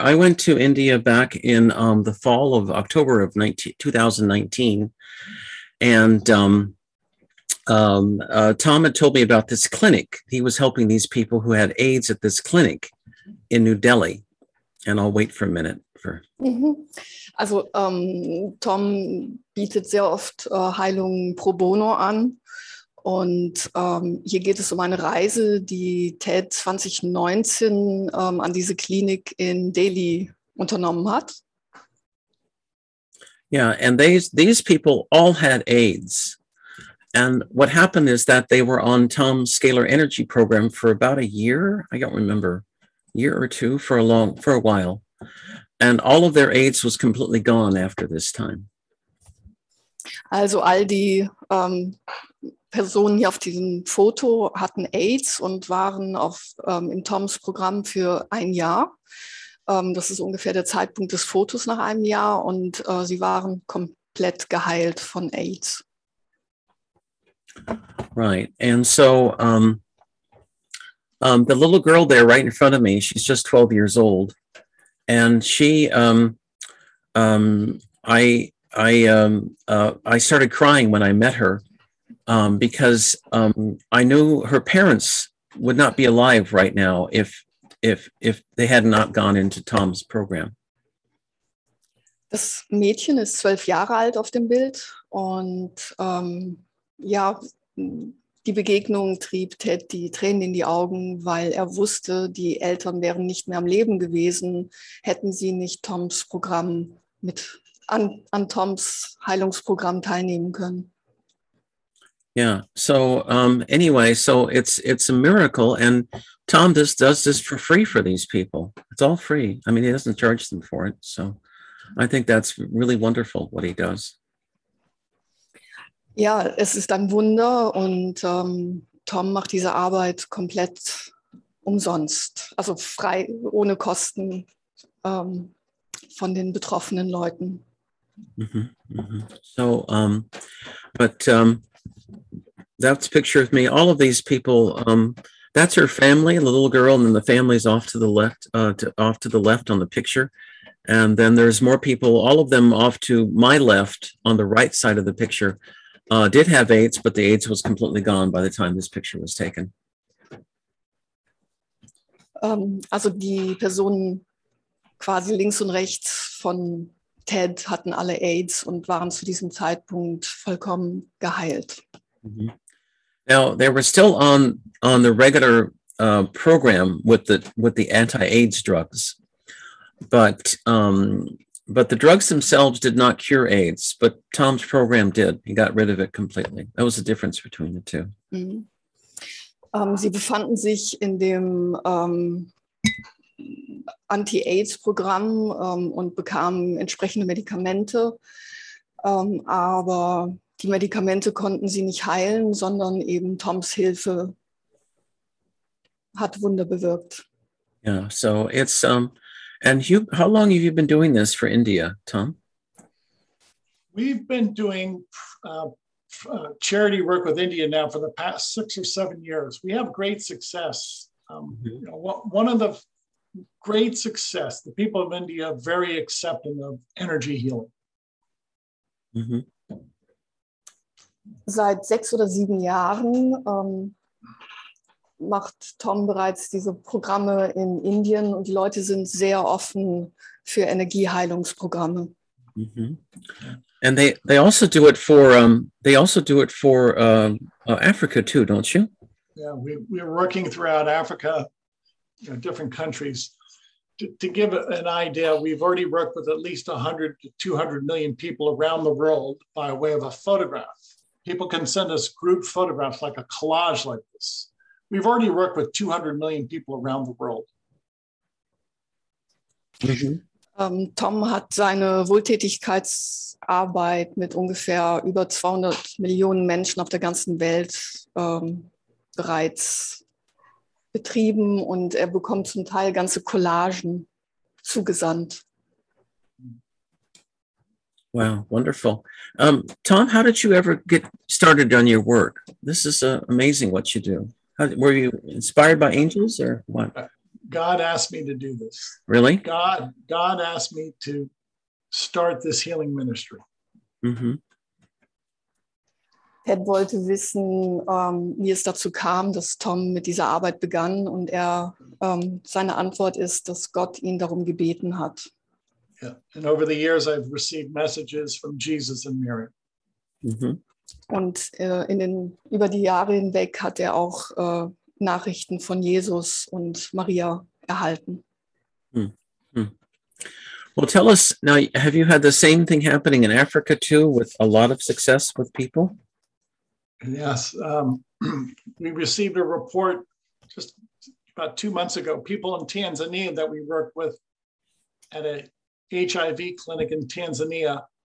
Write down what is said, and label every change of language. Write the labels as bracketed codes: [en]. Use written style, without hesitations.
[en] I went to India back in the fall of October of 2019. And Tom had told me about this clinic. He was helping these people who had AIDS at this clinic in New Delhi. And I'll wait for a minute. [de] Also Tom bietet sehr oft Heilungen pro bono an und hier geht es um eine Reise, die Ted 2019 an diese Klinik in Delhi unternommen hat. [en] Yeah, and these people all had AIDS. And what happened is that they were on Tom's Scalar Energy Program for about a year, I don't remember, year or two, for a while. And all of their AIDS was completely gone after this time. [de] Also all die Personen hier auf diesem Foto hatten AIDS und waren auf in Toms Programm für ein Jahr. Das ist ungefähr der Zeitpunkt des Fotos nach einem Jahr und sie waren komplett geheilt von AIDS. [en] Right. And so the little girl there right in front of me, she's just 12 years old. And she, I started crying when I met her, because I knew her parents would not be alive right now if they had not gone into Tom's program. [de] Das Mädchen ist 12 Jahre alt auf dem Bild und ja, die Begegnung trieb Ted die Tränen in die Augen, weil er wusste, die Eltern wären nicht mehr am Leben gewesen, hätten sie nicht Toms Programm an Toms Heilungsprogramm teilnehmen können. [en] Yeah, so anyway, so it's a miracle and Tom does this for free for these people. It's all free. I mean, he doesn't charge them for it. So I think that's really wonderful what he does. [de] Ja, es ist ein Wunder und Tom macht diese Arbeit komplett umsonst, also frei, ohne Kosten von den betroffenen Leuten. [en] So, but that's a picture of me. All of these people, that's her family, the little girl, and then the family's off to the left, off to the left on the picture. And then there's more people, all of them off to my left on the right side of the picture. Did have AIDS, but the AIDS was completely gone by the time this picture was taken. [de] Also die Personen quasi links und rechts von Ted hatten alle AIDS und waren zu diesem Zeitpunkt vollkommen geheilt. Mm-hmm. [en] Now they were still on the regular program with the anti-AIDS drugs, but the drugs themselves did not cure AIDS, but Tom's program did. He got rid of it completely. That was the difference between the two. Mm-hmm. [de] Sie befanden sich in dem Anti-AIDS-Programm und bekamen entsprechende Medikamente. Aber die Medikamente konnten sie nicht heilen, sondern eben Toms Hilfe hat Wunder bewirkt. Ja, [en] yeah, so it's... And you, how long have you been doing this for India, Tom? We've been doing charity work with India now for the past 6 or 7 years. We have great success. Mm-hmm. You know, one of the great success, the people of India are very accepting of energy healing. Mm-hmm. [de] Seit 6 oder 7 Jahren macht Tom bereits diese Programme in Indien und die Leute sind sehr offen für Energieheilungsprogramme. Mm-hmm. [en] And they also do it for Africa too, don't you? Yeah, we're working throughout Africa, you know, different countries. To give an idea, we've already worked with at least 100 to 200 million people around the world by way of a photograph. People can send us group photographs like a collage like this. We've already worked with 200 million people around the world. Mm-hmm. [de] Tom hat seine Wohltätigkeitsarbeit mit ungefähr über 200 Millionen Menschen auf der ganzen Welt bereits betrieben und er bekommt zum Teil ganze Collagen zugesandt. [en] Wow, wonderful. Tom, how did you ever get started on your work? This is amazing what you do. Were you inspired by angels or what? God asked me to do this. Really? God asked me to start this healing ministry. Mm-hmm. [de] Ted wollte wissen, wie es dazu kam, dass Tom mit dieser Arbeit begann. Und er, seine Antwort ist, dass Gott ihn darum gebeten hat. [en] Yeah. And over the years, I've received messages from Jesus and Mary. [de] Und über die Jahre hinweg hat er auch Nachrichten von Jesus und Maria erhalten. [en] Well, tell us now, have you had the same thing happening in Africa too, with a lot of success with people? Yes. We received a report just about 2 months ago, people in Tanzania that we work with at a HIV clinic in Tanzania.